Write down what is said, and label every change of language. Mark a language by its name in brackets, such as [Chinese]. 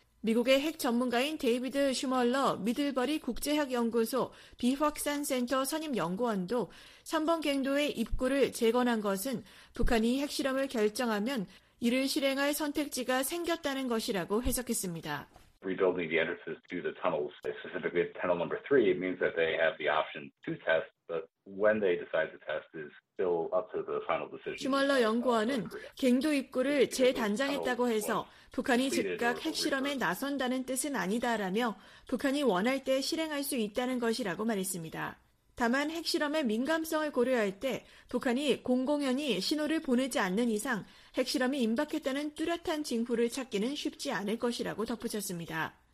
[Korean] 미국의 핵 전문가인 데이비드 슈멀러 미들버리 국제학연구소 비확산센터 선임 연구원도 3번 갱도의 입구를 재건한 것은 북한이 핵실험을 결정하면 이를 실행할 선택지가 생겼다는 것이라고 해석했습니다. [English] Rebuilding the entrances to the tunnels, specifically tunnel number three, it means that they have the option to test, but when they decide to test is still up to the final decision. [Korean] 슈멀러 연구원은 갱도 입구를 재단장했다고 해서 북한이 즉각 핵실험에 나선다는 뜻은 아니다라며 북한이 원할 때 실행할 수 있다는 것이라고 말했습니다. 다만 핵실험의 민감성을 고려할 때 북한이 공공연히 신호를 보내지 않는 이상 핵실험이 임박했다는 뚜렷한 징후를 찾기는 쉽지 않을 것이라고 덧붙였습니다.